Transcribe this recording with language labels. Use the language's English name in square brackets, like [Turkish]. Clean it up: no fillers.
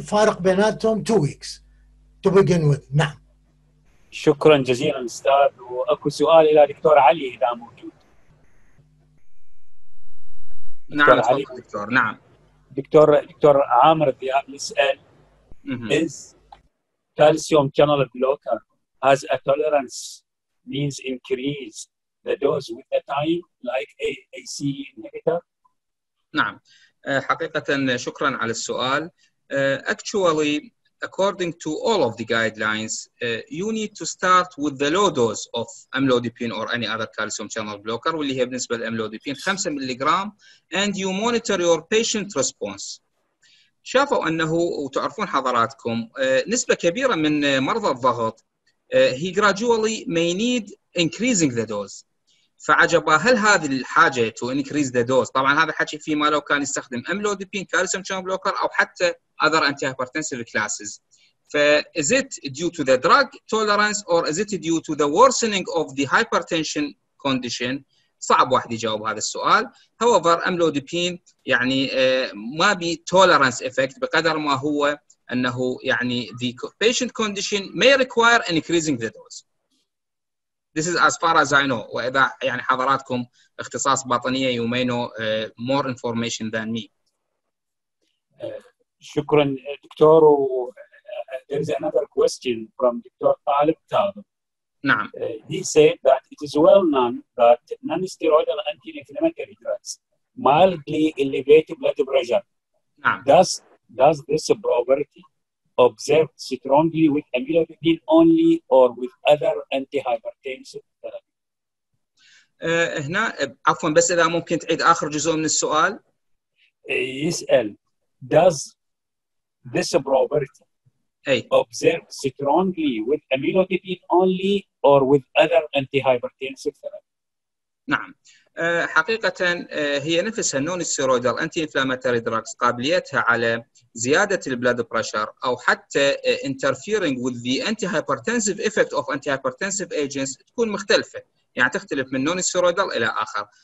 [Arabic] فارق بيناتهم [English] 2 weeks to begin with. [Arabic] نعم. شكرا جزيلا أستاذ. وأكو سؤال إلى دكتور علي إذا موجود. نعم دكتور. نعم. دكتور عامر الذئاب يسأل. [English] Is calcium channel blocker has a tolerance means increase the dose with the time like AAC inhibitor? [Arabic] نعم حقيقة شكرا على السؤال. [English] Actually, according to all of the guidelines, you need to start with the low dose of amlodipine or any other calcium channel blocker, [Arabic] واللي هي بالنسبة للأملودبين [English] 5 milligram, and you monitor your patient response. [Arabic] شافوا أنه وتعرفون حضراتكم نسبة كبيرة من مرضى الضغط [English] he gradually may need increasing the dose. [Arabic] فعجبا هل هذه الحاجة [English] to increase the dose؟ [Arabic] طبعا هذا حكي فيما لو كان يستخدم أملودبين كالسيوم شانل بلوكر أو حتى [English] other antihypertensive classes. ف is it due to the drug tolerance or is it due to the worsening of the hypertension condition؟ [Arabic] صعب واحد يجاوب هذا السؤال. [English] However, amlodipine [Arabic] يعني ما بي [English] tolerance effect [Arabic] بقدر ما هو أنه يعني [English] the patient condition may require increasing the dose. This is as far as I know. [Arabic] وإذا يعني حضراتكم اختصاص باطنية [English] you may know more information than me. [Arabic] شكرا دكتور. [English] There is another question from Dr. Talib Talib. [Arabic] نعم. [English] He said that it is well known that non-steroidal anti-inflammatory drugs mildly elevate blood pressure. [Arabic] نعم. [English] Does this property observed strongly with amilodipine only or with other antihypertensive therapy? [Arabic] هنا عفوا بس إذا ممكن تعيد آخر جزء من السؤال. يسأل [English] does this property observed strongly with amilodipine only or with other antihypertensive therapy? [Arabic] نعم حقيقة هي نفسها [English] النون السيرويدال anti inflammatory drugs [Arabic] قابليتها على زيادة البلد بريشر أو حتى [English] interfering with the anti-hypertensive effect of anti-hypertensive agents [Arabic] تكون مختلفة يعني تختلف من النون السيرويدال إلى آخر.